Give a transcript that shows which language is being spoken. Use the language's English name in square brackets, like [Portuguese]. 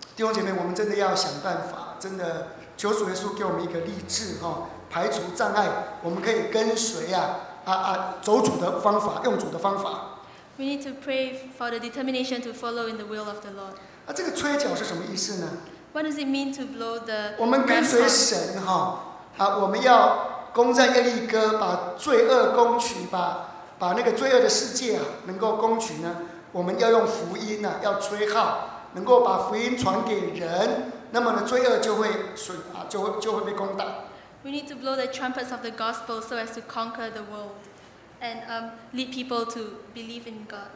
[Chinese] 弟兄姐妹，我们真的要想办法，真的求主耶稣给我们一个立志哦，排除障碍，我们可以跟随啊。走主的方法，用主的方法。 [English] We need to pray for the determination to follow in the will of the Lord. [Chinese] 这个吹角是什么意思呢？ [English] What does it mean to blow the? [Chinese] 我们跟随神哈，啊，我们要攻占耶利哥，把罪恶攻取，把那个罪恶的世界啊，能够攻取呢？我们要用福音呢，要吹号，能够把福音传给人，那么呢，罪恶就会损啊，就会被攻打。 [English] We need to blow the trumpets of the gospel so as to conquer the world and lead people to believe in God.